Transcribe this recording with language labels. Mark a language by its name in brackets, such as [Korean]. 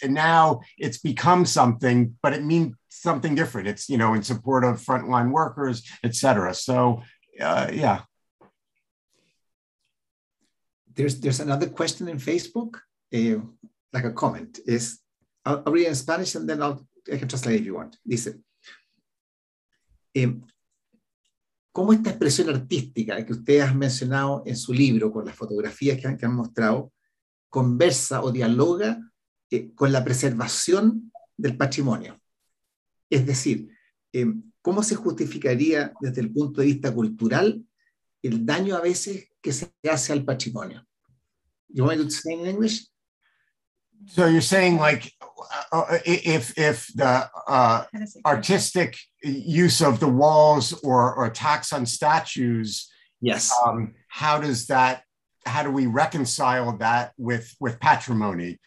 [English] And now it's become something, but it means something different. It's, you know, in support of frontline workers, et cetera. So, There's another question in Facebook, like a comment. I'll read it in Spanish and then I can translate if you want. [Spanish] Dice, ¿cómo esta expresión artística que usted ha mencionado en su libro con las fotografías que han mostrado conversa o dialoga con la preservación del patrimonio? Es decir, ¿cómo se justificaría desde el punto de vista cultural el daño a veces que se hace al patrimonio? [English] You want me to say in English? So you're saying like if the artistic use of the walls or attacks on statues, yes. How do we reconcile that with patrimony?